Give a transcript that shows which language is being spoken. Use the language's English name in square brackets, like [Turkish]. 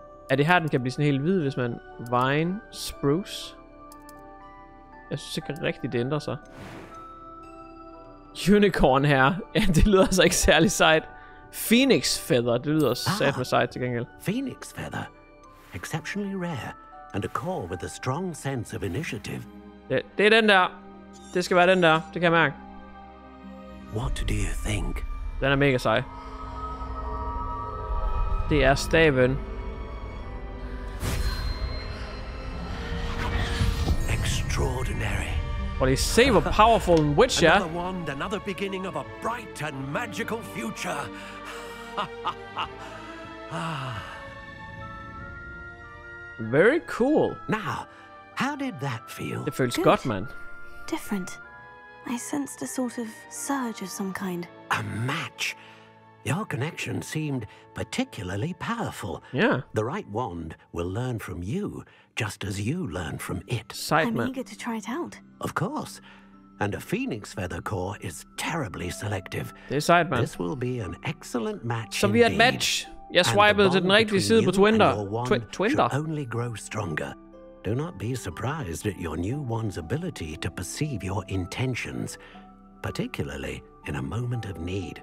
[Danish] Er det her, den kan blive sådan helt hvid, hvis man... Vine, spruce. Jeg synes ikke rigtigt, det ændrer sig. Unicorn her. Ja, det lyder altså ikke særlig sejt. Phoenix feather, det lyder sat med sejt til gengæld. [English] Phoenix feather. Exceptionally rare. And a core with a strong sense of initiative. [Danish] Det er den der. Det skal være den der. Det kan jeg mærke. [English] What do you think? [Danish] Den er mega sej. Det er staven. [English] Extraordinary. Well, you see what powerful and witch are. Another wand, another beginning of a bright and magical future. Very cool. Now, how did that feel? It feels good, man. Different. I sensed a sort of surge of some kind. A match. Your connection seemed particularly powerful. Yeah. The right wand will learn from you, just as you learn from it. Excitement. I'm eager to try it out. Of course. And a phoenix feather core is terribly selective. Excitement. This will be an excellent match. So indeed. We had match. [Danish] Jeg swipede til den rigtige side på Twinder. [English] Twinder. Only grow stronger. Do not be surprised at your new one's ability to perceive your intentions, particularly in a moment of need.